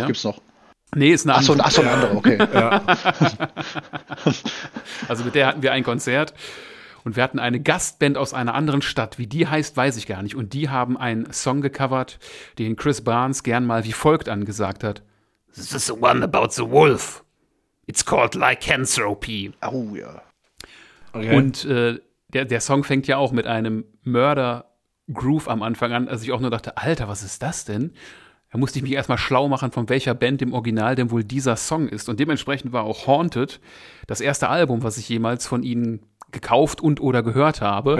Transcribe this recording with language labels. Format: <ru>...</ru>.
<de>Doch, gibt's noch. Nee, ist eine andere. Ach so, eine andere, okay. Ja. Also mit der hatten wir ein Konzert. Und wir hatten eine Gastband aus einer anderen Stadt. Wie die heißt, weiß ich gar nicht. Und die haben einen Song gecovert, den Chris Barnes gern mal wie folgt angesagt hat.</de> <en>This is the one about the wolf. It's called Lycanthropy.</en> <de>Oh, ja. Okay. Und der Song fängt ja auch mit einem Mörder-Groove am Anfang an. Also ich auch nur dachte, Alter, was ist das denn? Da musste ich mich erstmal schlau machen, von welcher Band im Original denn wohl dieser Song ist. Und dementsprechend war auch Haunted das erste Album, was ich jemals von ihnen gekauft und oder gehört habe.</de>